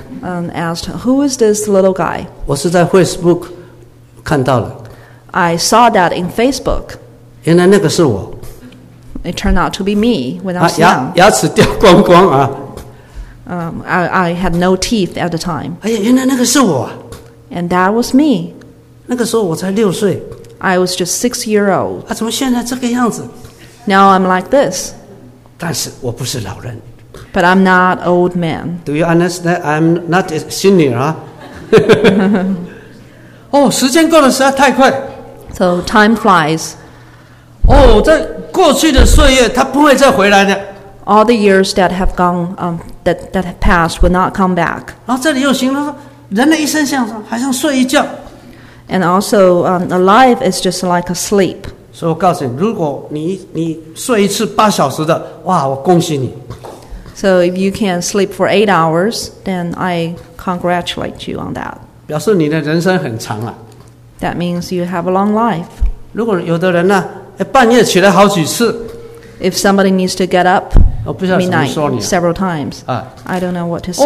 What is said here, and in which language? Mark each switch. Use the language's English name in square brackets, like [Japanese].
[English] Asked, who is this little guy? [Chinese] 我是在Facebook看到了。 [English] I saw that in Facebook. [Chinese] 原来那个是我。 [English] It turned out to be me when I was young. [Chinese] 牙齿掉光光啊。 [English] I had no teeth at the time. [Chinese] 哎呀，原来那个是我。 [English] And that was me. [Chinese] 那个时候我才六岁。 [English] I was just 6 years old. [Chinese] 啊，怎么现在这个样子？ [English] Now I'm like this. [Chinese] 但是我不是老人。 [English] But I'm not old man. Do you understand? I'm not a senior, huh? [Chinese] 哦，时间过得实在太快。 [English] So time flies. [Chinese] 哦，在过去的岁月，它不会再回来的。 [English] All the years that have gone, that have passed, will not come back. [Chinese] 然后这里又形容说，人的一生像好像睡一觉。 [English] And also, a life is just like a sleep. [Chinese] 所以我告诉你，如果你睡一次八小时的，哇，我恭喜你。 [English] So if you can sleep for 8 hours, then I congratulate you on that. [Chinese] 表示你的人生很长啊。 [English] That means you have a long life. [Chinese] 如果有的人呢，半夜起来好几次。 [English] If somebody needs to get up midnight several times, I don't know what to say.